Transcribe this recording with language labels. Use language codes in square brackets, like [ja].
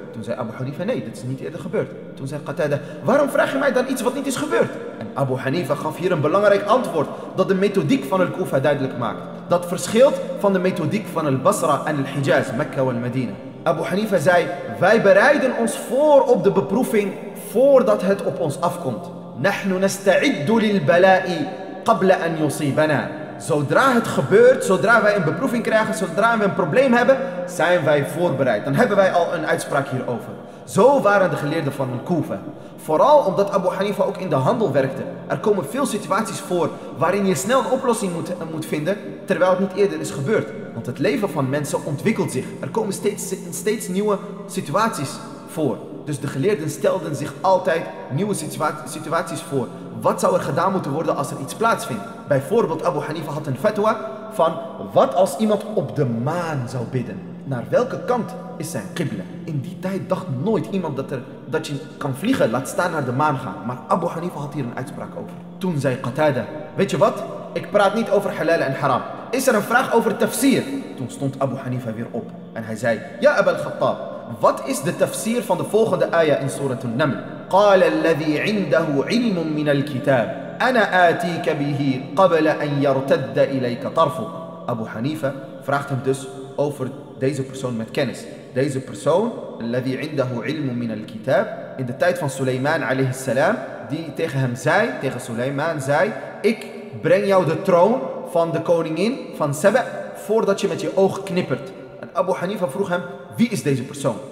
[nl] Toen zei Abu Hanifa, nee, dit is niet eerder gebeurd. Toen zei Qatada, waarom vraag je mij dan iets wat niet is gebeurd? En Abu Hanifa gaf hier een belangrijk antwoord dat de methodiek van al-Kufa duidelijk maakt. Dat verschilt van de methodiek van al-Basra en al-Hijaz, Mekka en al-Medina. Abu Hanifa zei, wij bereiden ons voor op de beproeving voordat het op ons afkomt. [ar] نحن نستعد للبلاء قبل أن يصيبنا. [nl] Zodra het gebeurt, zodra wij een beproeving krijgen, zodra we een probleem hebben, zijn wij voorbereid. Dan hebben wij al een uitspraak hierover. Zo waren de geleerden van al-Kufa. Vooral omdat Abu Hanifa ook in de handel werkte. Er komen veel situaties voor waarin je snel een oplossing moet vinden, terwijl het niet eerder is gebeurd. Want het leven van mensen ontwikkelt zich. Er komen steeds nieuwe situaties voor. Dus de geleerden stelden zich altijd nieuwe situaties voor. Wat zou er gedaan moeten worden als er iets plaatsvindt? Bijvoorbeeld Abu Hanifa had een fatwa van wat als iemand op de maan zou bidden? Naar welke kant is zijn qibla? In die tijd dacht nooit iemand dat je kan vliegen, laat staan naar de maan gaan. Maar Abu Hanifa had hier een uitspraak over. Toen zei Qatada, weet je wat? Ik praat niet over halal en haram. Is er een vraag over tafsir? Toen stond Abu Hanifa weer op en hij zei, ja Abu al-Khattab. Wat is de tafsir van de volgende aya in Surat An-Naml? [ar] قال الذي عنده علم من الكتاب أنا آتيك به قبل أن يرتد إليك طرفك. [nl] Abu Hanifa vraagt hem dus over deze persoon met kennis. Deze persoon, [ar] الذي عنده علم من الكتاب, [nl] in de tijd van Suleiman alayhi salam, die tegen Suleiman zei, ik breng jou de troon van de koningin van Saba voordat je met je oog knippert. En Abu Hanifa vroeg hem, Wie is deze persoon?